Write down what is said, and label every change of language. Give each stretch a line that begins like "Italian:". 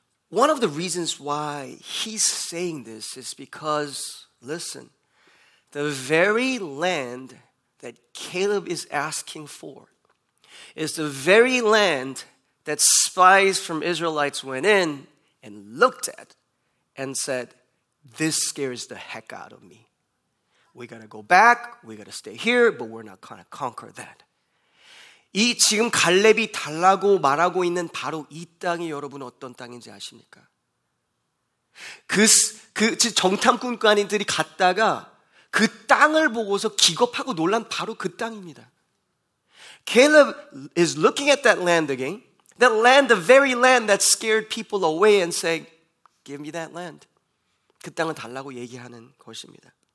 English: One of the reasons why he's saying this is because, listen, the very land that Caleb is asking for is the very land that spies from Israelites went in and looked at and said, this scares the heck out of me. We gotta go back, we gotta stay here, but we're not gonna conquer that.
Korean: 이 지금 갈렙이 달라고 말하고 있는 바로 이 땅이 여러분 어떤 땅인지 아십니까? 그 정탐꾼관인들이 갔다가 그 땅을 보고서 기겁하고 놀란 바로 그 땅입니다.
English: Caleb is looking at that land again. That land, the very land that scared people away and say, give me that land.
Korean: 그 땅을 달라고 얘기하는 것입니다.